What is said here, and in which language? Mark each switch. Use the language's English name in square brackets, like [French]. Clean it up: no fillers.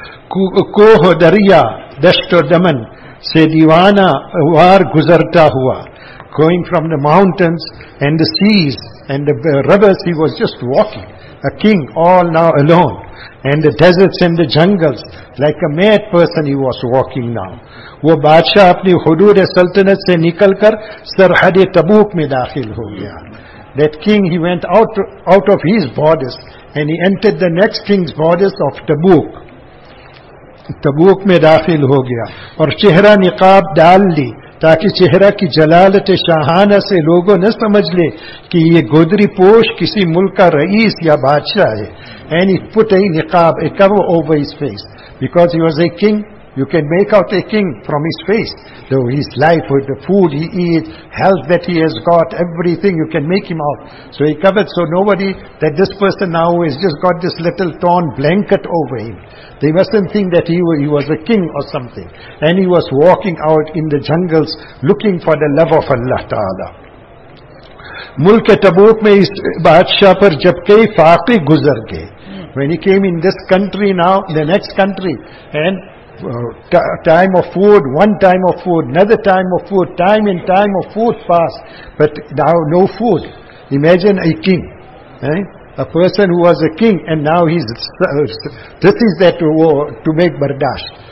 [Urdu] Koh Darya Dasht Daman Se Diwana War Guzarta Hua. [English] Going from the mountains and the seas and the rivers, he was just walking. A king all now alone. And the deserts and the jungles, like a mad person he was walking now. [Urdu] وہ بادشاہ اپنی حدود سلطنت سے نکل کر سرحد تبوک میں داخل ہو گیا. [English] That king, he went out of his borders and he entered the next king's borders of Tabuk. [Urdu] تبوک میں داخل ہو گیا اور چہرہ نقاب ڈال لی تاکہ چہرہ کی جلالت شاہانہ سے لوگوں نہ سمجھ لے کہ یہ گودری پوش کسی ملک کا رئیس یا بادشاہ ہے. [English] And he put a niqab, a cover over his face. Because he was a king, you can make out a king from his face. Though his life, with the food he eats, health that he has got, everything, you can make him out. So he covered, so nobody, that this person now has just got this little torn blanket over him. They mustn't think that he was a king or something. And he was walking out in the jungles looking for the love of Allah Ta'ala. [Urdu] ملک تبوک میں اس بادشاہ پر جب کئی فاقے گزر گئے. [English] When he came in this country now, the next country, and time of food, one time of food, another time of food, time and time of food passed, but now no food. Imagine a king, a person who was a king, and now he's this is that to make bardash.